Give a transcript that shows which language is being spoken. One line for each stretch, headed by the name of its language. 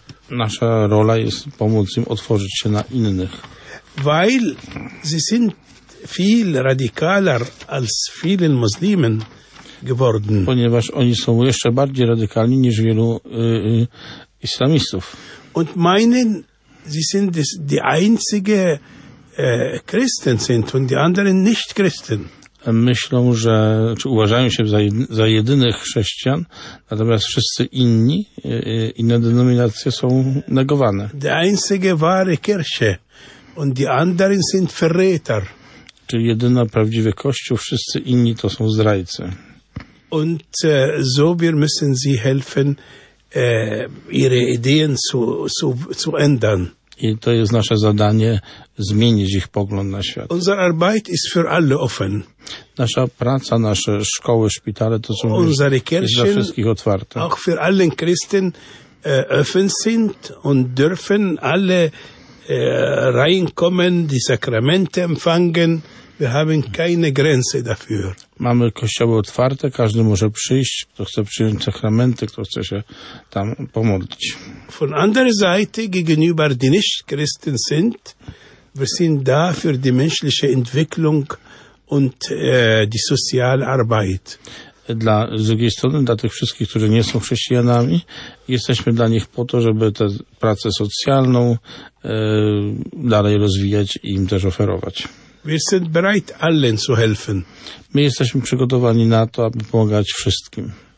Polish: Nasza rola jest pomóc im otworzyć się na innych.
German: Weil sie sind viel radikaler als vielen Muslimen geworden.
Polish: Ponieważ oni są jeszcze bardziej radykalni niż wielu islamistów.
German: Und meinen, sie sind die einzige Christen sind und die anderen nicht Christen.
Polish: Myślą, że czy uważają się za jedynych chrześcijan, natomiast wszyscy inni, inne denominacje są negowane.
German: Die einzige wahre Kirche und die anderen sind Verräter.
Polish: Czyli jedyna prawdziwy Kościół, wszyscy inni to są zdrajcy.
German: Und so wir müssen sie helfen, ihre Ideen zu ändern.
Polish: I to jest nasze zadanie, zmienić ich pogląd na świat.
German: Unsere Arbeit ist für alle offen.
Polish: Nasza praca, nasze szkoły, szpitale to są dla wszystkich otwarte.
German: Auch für allen Christen offen sind und dürfen alle reinkommen, die Sakramente empfangen. Wir haben keine Grenze dafür.
Polish: Mamy kościoły otwarte, każdy może przyjść, kto chce przyjąć sakramenty, kto chce się tam pomodlić.
German: Von anderer Seite gegenüber die Nicht-Christen sind, wir sind da für die menschliche Entwicklung und die soziale Arbeit.
Polish: Z drugiej strony, dla tych wszystkich, którzy nie są chrześcijanami, jesteśmy dla nich po to, żeby tę pracę socjalną dalej rozwijać i im też oferować.
German: Wir sind bereit, allen zu helfen.
Polish: My jesteśmy przygotowani na to, aby pomagać wszystkim.